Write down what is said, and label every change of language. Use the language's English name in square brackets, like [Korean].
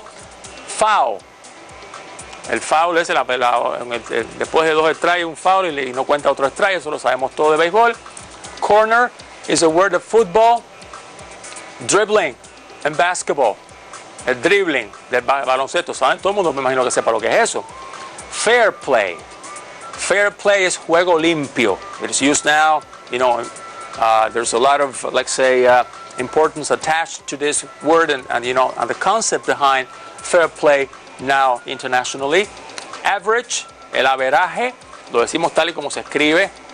[Spanish] Foul. El foul es después de dos strikes un foul y no cuenta otro strike, eso lo sabemos todo de béisbol. [English] Corner is a word of football. Dribbling and basketball. [Spanish] El dribbling del baloncesto, ¿saben? Todo el mundo me imagino que sepa lo que es eso. Fair play. Fair play es juego limpio. [English] It's used now, you know, there's a lot of, let's say, importance attached to this word and, you know, and the concept behind fair play now internationally. [Spanish] Average, el averaje, lo decimos tal y como se escribe.